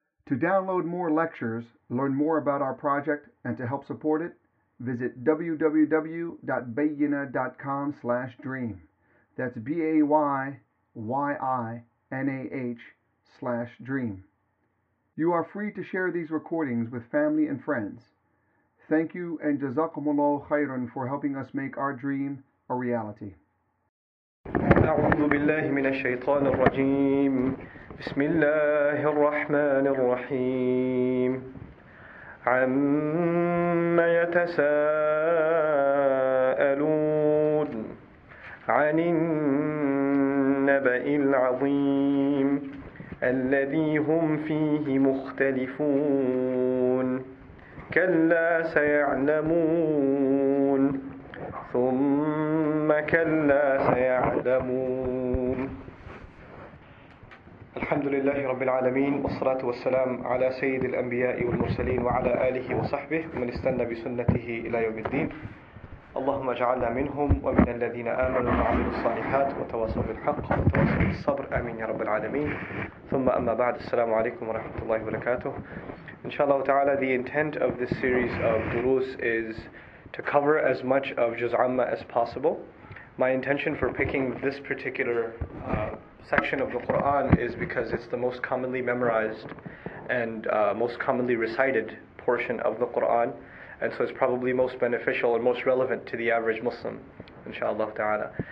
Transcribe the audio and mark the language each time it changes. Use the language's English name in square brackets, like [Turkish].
[English] To download more lectures, learn more about our project, and to help support it, visit www.bayina.com/dream. That's BAYYINAH/dream. You are free to share these recordings with family and friends. Thank you and [Arabic] Jazakumullah khairan [English] for helping us make our dream a reality. [Arabic] أعوذ بالله من الشيطان الرجيم بسم الله الرحمن الرحيم عما يتساءلون عن النبأ العظيم الذي هم فيه مختلفون كلا سيعلمون ثم كلا سيعلمون الحمد لله رب العالمين والصلاة والسلام على سيد الأنبياء والمرسلين وعلى آله وصحبه من استنى بسنته إلى يوم الدين اللهم اجعلنا منهم ومن الذين آمنوا وعملوا الصالحات وتواصوا بالحق وتواصوا بالصبر آمين يا رب العالمين ثم أما بعد السلام عليكم ورحمة الله وبركاته إن شاء الله تعالى [English] The intent of this series of durus is to cover as much of Juz'amma as possible. My intention for picking this particular section of the Qur'an is because it's the most commonly memorized and most commonly recited portion of the Qur'an, and so it's probably most beneficial and most relevant to the average Muslim, inshallah ta'ala.